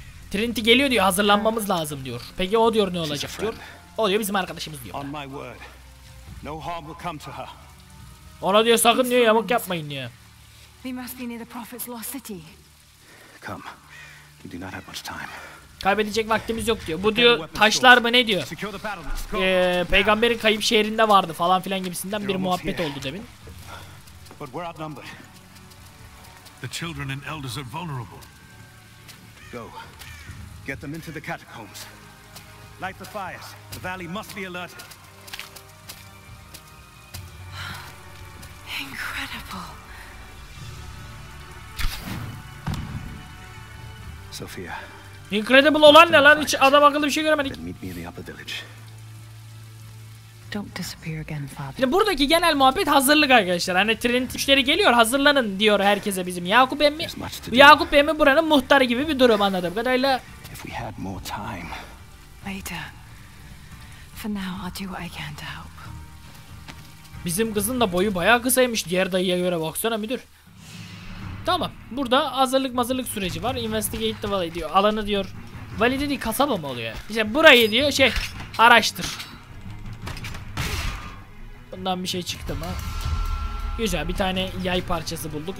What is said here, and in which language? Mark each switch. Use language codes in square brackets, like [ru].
[tr] Trinity geliyor diyor, hazırlanmamız lazım diyor. Peki o diyor ne olacak diyor? O diyor bizim arkadaşımız diyor. [en] On my word, no harm will come to her. [tr] Ona diyor sakın diyor yamuk yapmayın diyor. [en] We must be near the prophet's lost city. Come, we do not have much time. [tr] Kaybedecek vaktimiz yok diyor. Bu diyor taşlar mı ne diyor? Peygamberin kayıp şehrinde vardı falan filan gibisinden bir muhabbet oldu demin. [en] but we're outnumbered. The children and elders are vulnerable. Go. Get them into the catacombs. Light the fires. The valley must be alerted. Incredible. Sophia. [tr] Incredible olan ne lan? Hiç adam akıllı bir şey göremedik. [en] Meet me in the upper village. Don't disappear again, Father. [tr] Şimdi buradaki genel muhabbet hazırlık arkadaşlar. Hani Trinity işleri geliyor, hazırlanın diyor herkese bizim Yakup emmi. Yakup emmi buranın muhtarı gibi bir durum anladım. Kadayla. [en] If we had more time. Later. For now, I'll do what I can to help. [tr] Bizim kızın da boyu bayağı kısaymış diğer dayıya göre, baksana müdür. Tamam, burada hazırlık mazırlık süreci var. [en] Investigate the valley [tr] diyor, alanı diyor. Valley dedi, kasaba mı oluyor? İşte burayı diyor şey, araştır. Bundan bir şey çıktı mı? Güzel, bir tane yay parçası bulduk.